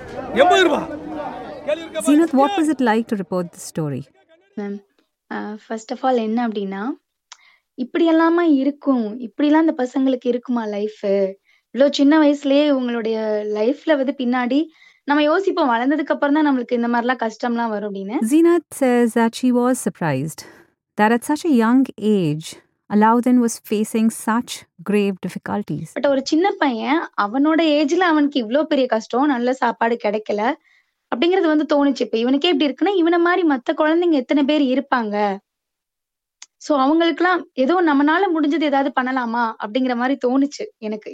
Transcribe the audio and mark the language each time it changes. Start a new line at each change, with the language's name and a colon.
English: Zenith, what was it like to report the story? Ma'am, first of all,
Tamil: enna appadina இப்படி எல்லாமா இருக்கும், இப்படி எல்லாம் இந்த பசங்களுக்கு இருக்குமா லைஃப்? இவ்வளவு சின்ன வயசுலயே இவங்களுடைய லைஃப்ல வந்து பின்னாடி நம்ம யோசிப்போம், வளர்ந்ததுக்கு அப்புறம் தான் நம்மளுக்கு இந்த மாதிரி எல்லாம் கஷ்டம் எல்லாம் வரும் அப்படின்னு.
English: Zenith says that she was surprised that at such a young age Alauddin was facing such grave difficulties.
Tamil: But ஒரு சின்ன பையன், அவனோட ஏஜ்ல அவனுக்கு இவ்வளவு பெரிய கஷ்டம், நல்ல சாப்பாடு கிடைக்கல அப்படிங்கறது வந்து தோணுச்சு. இப்ப இவனுக்கே இப்படி இருக்குன்னா இவன மாதிரி மத்த குழந்தைங்க எத்தனை பேர் இருப்பாங்க? சோ அவங்களுக்கு எல்லாம் ஏதோ நம்மனால முடிஞ்சது ஏதாவது பண்ணலாமா அப்படிங்கிற மாதிரி தோணுச்சு எனக்கு.